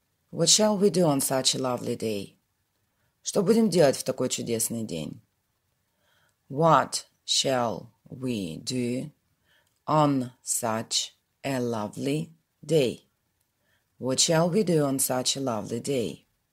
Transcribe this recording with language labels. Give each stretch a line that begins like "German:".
English: What shall we do on such a lovely day?
Russian: Что будем делать в такой чудесный день?
English: What shall we do on such a lovely day? What shall we do on such a lovely day?